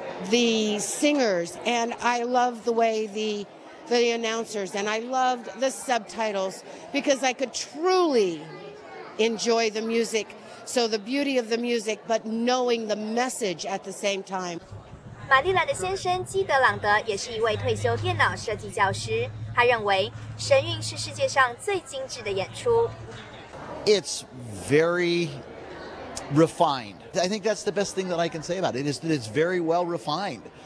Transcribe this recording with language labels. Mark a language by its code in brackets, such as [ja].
[en] The singers, and I love the way the announcers, and I loved the subtitles because I could truly enjoy the music. So the beauty of the music, but knowing the message at the same time. [zh] 玛丽兰的先生基德朗德也是一位退休电脑设计教师，他认为神韵是世界上最精致的演出。 [en] It's very refined. I think that's the best thing that I can say about it. It's very well refined.